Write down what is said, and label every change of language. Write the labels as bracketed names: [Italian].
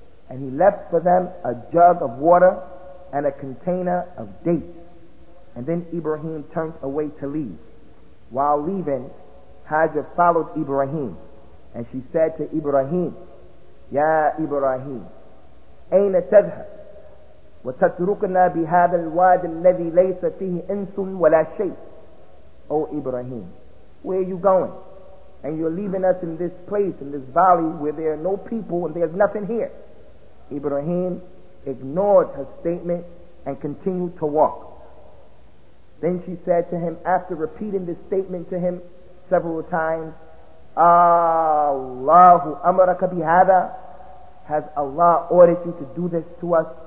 [English] And he left for them a jug of water and a container of dates. And then Ibrahim turned away to leave. While leaving, Hajar followed Ibrahim. And she said to Ibrahim, Ya Ibrahim, [Arabic] Aina tadhhab? وَتَتْرُكْنَا بِهَذَا الْوَادِ الَّذِي لَيْسَ فِيهِ إِنْسٌ وَلَا شَيْءٍ [English] O Ibrahim, where are you going? And you're leaving us in this place, in this valley, where there are no people and there's nothing here. Ibrahim ignored her statement and continued to walk. Then she said to him, after repeating this statement to him several times, [Arabic] أَلَّهُ أَمَرَكَ بِهَذَا [English] Has Allah ordered you to do this to us?